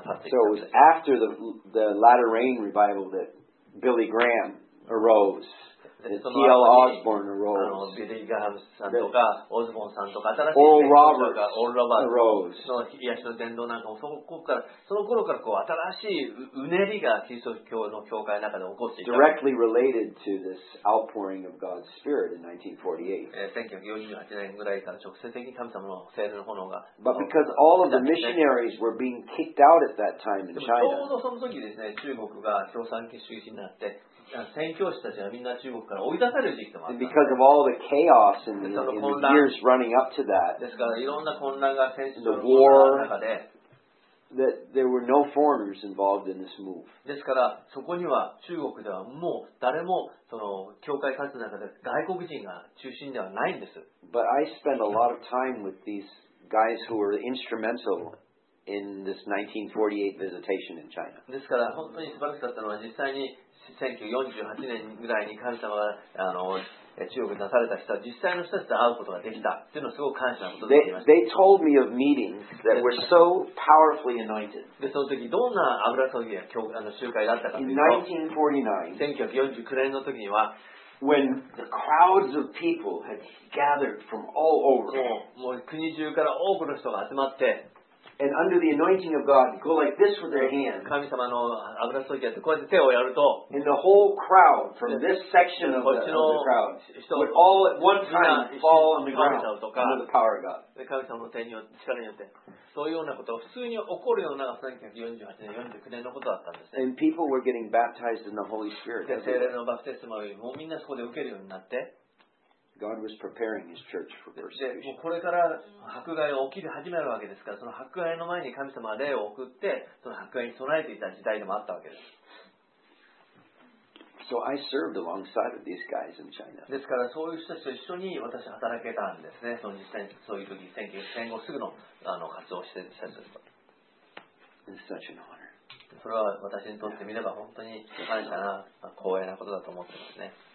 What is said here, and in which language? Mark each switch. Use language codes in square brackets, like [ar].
[en] So it was after the latter rain revival that Billy Graham arose. T.L. Osborne arose. [ja] Billy Graham さんとか、オズボンさんとか、新しい伝道とか、オール・ロバーツ。オール・ロバーツ。 [en] arose。 [ja] その癒しの伝道なんかも、その頃からこう新しいうねりがキリスト教の教会の中で起こっていた。 [en] Directly related to this outpouring of God's Spirit in 1948. [ja] 1948年ぐらいから直接的に神様の聖霊の炎が。 [en] But because all of the missionaries were being kicked out at that time in China. [ja] ちょうどその時ですね、中国が共産主義になって、宣教師たちはみんな中国から追い出される時期もあった。 [en] And because of all the chaos in the years running up to that, [ja] ですからいろんな混乱が戦争の中で、 [en] that there were no foreigners involved in this move. [ja] ですからそこには中国ではもう誰もその教会活動の中で外国人が中心ではないんです。 [en] But I spent a lot of time with these guys who were instrumental. In this 1948 visitation in China. [ja] ですから本当に素晴らしかったのは実際に1948年ぐらいに神様が中国に出された人は実際の人たちと会うことができたっていうのをすごく感謝なことになりました。 [en] They told me of meetings that were so powerfully anointed. [ja] でその時どんな油注ぎや教会の集会だったかというと、1949年の時には。 [en] When the crowds of people had gathered from all over. [ja] もう国中から多くの人が集まって。 [en] And under the anointing of God, go like this with their hands. [ja] 神様の油注ぎやってこうやって手をやると、 [en] and the whole crowd from this section of the crowd would all at one time fall on the ground under the power of God. [ja] で神様の手によって力によって、そういうようなことが普通に起こるような1948年、49年のことだったんです。 [en] And people were getting baptized in the Holy Spirit. [ja] で聖霊のバプテスマをもうみんなそこで受けるようになって。 [en] God was preparing His church for persecution. [ja] で、もうこれから迫害が起きる始めるわけですから、その迫害の前に神様は霊を送って、その迫害に備えていた時代でもあったわけです。 [en] So I served alongside of these guys in China. [ja] ですからそういう人たちと一緒に私働けたんですね。その実際そういう時、戦後すぐの活動をしていた人たちと。それは私にとってみれば本当に感謝な、光栄なことだと思ってますね。